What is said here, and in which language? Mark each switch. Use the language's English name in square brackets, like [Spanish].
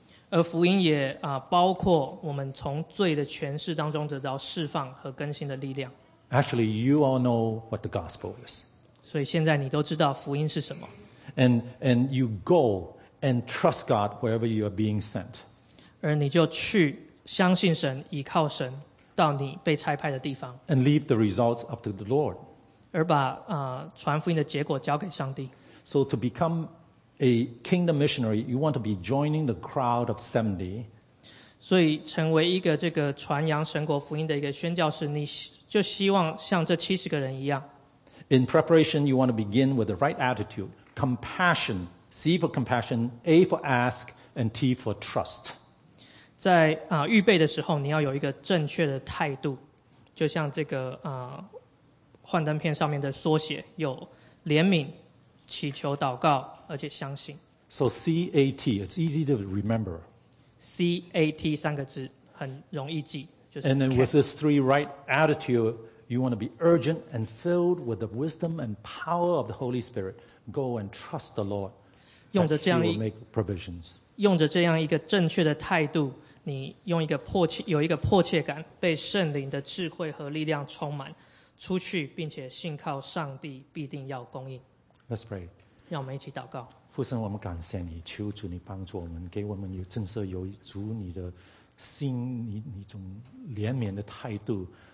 [Chinese] 而福音也包括我们从罪的权势当中得到释放和更新的力量。 [English] Actually, you all know what the gospel is. [Chinese] 所以现在你都知道福音是什么。 [English] And you go and trust God wherever you are being sent. [Chinese] 而你就去相信神，依靠神，到你被差派的地方。 [English] And leave the results up to the Lord. [Chinese] 而把传福音的结果交给上帝。 [English] So to become a kingdom missionary, you want to be joining the crowd of 70. [Chinese] 所以成为一个这个传扬神国福音的一个宣教士，你就希望像这70个人一样。 [English] In preparation, you want to begin with the right attitude. Compassion. C for compassion. A for ask. And T for trust. [Chinese] 在预备的时候，你要有一个正确的态度。就像这个幻灯片上面的缩写，有怜悯、祈求、祷告，而且相信。 [English] So C-A-T. It's easy to remember. [Chinese] C-A-T 三个字很容易记。就是、 [English] and then with this three right attitude,You want to be urgent and filled with the wisdom and power of the Holy Spirit. Go and trust the Lord that He will make provisions. [Chinese] 用着这样一个正确的态度，你用一个迫切有一个迫切感，被圣灵的智慧和力量充满，出去并且信靠上帝必定要供应。 [English] Let's pray. [Chinese] 让我们一起祷告。父神，我们感谢你，求主你帮助我们，给我们有正色，有主你的心，你种怜悯的态度。